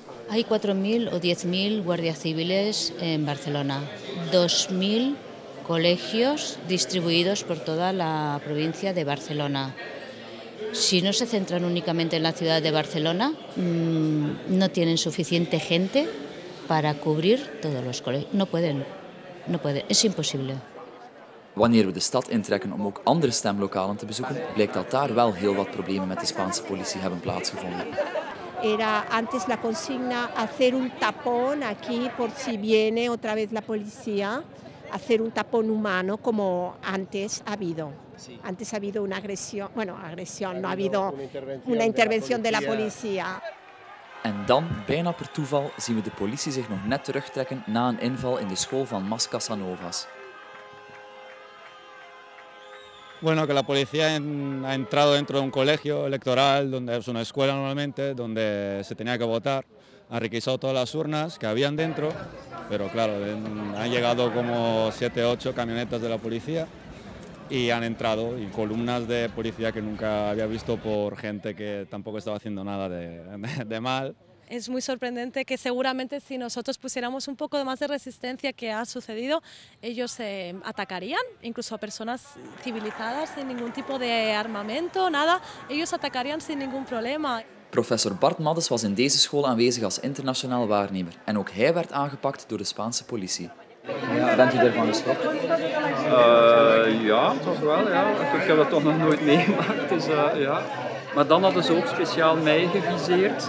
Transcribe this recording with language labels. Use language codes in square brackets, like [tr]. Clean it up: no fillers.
[es] Hay 4.000 o 10.000 guardias civiles en Barcelona, 2.000 colegios distribuidos por toda la provincia de Barcelona. Si no se centran únicamente en la ciudad de Barcelona, no tienen suficiente gente para cubrir todos los colegios. No pueden, es imposible. [nl] Wanneer we de stad intrekken om ook andere stemlokalen te bezoeken, blijkt dat daar wel heel wat problemen met de Spaanse politie hebben plaatsgevonden. [es] Era antes la consigna hacer un tapón aquí por si viene otra vez la policía, hacer un tapón humano como antes ha habido. Sí. Antes ha habido una agresión, bueno, agresión, no ha habido una intervención de la policía. [nl] En dan, bijna per toeval, zien we de politie zich nog net terugtrekken na een inval in de school van Mas Casanovas. [es] Bueno, que la policía ha entrado dentro de un colegio electoral, donde es una escuela normalmente, donde se tenía que votar. Han requisado todas las urnas que habían dentro, pero claro, han llegado como 7 u 8 camionetas de la policía y han entrado, y columnas de policía que nunca había visto por gente que tampoco estaba haciendo nada de mal. Es muy sorprendente que seguramente si nosotros pusiéramos un poco más de resistencia que ha sucedido, ellos atacarían, incluso a personas civilizadas, sin ningún tipo de armamento, nada, ellos atacarían sin ningún problema. [nl] Professor Bart Maddes was in deze school aanwezig als internationaal waarnemer en ook hij werd aangepakt door de Spaanse politie. Ja, bent u ervan geschrokken? Ja, toch wel. Ik heb dat toch nog nooit meegemaakt, dus ja. Maar dan hadden ze ook speciaal mij geviseerd.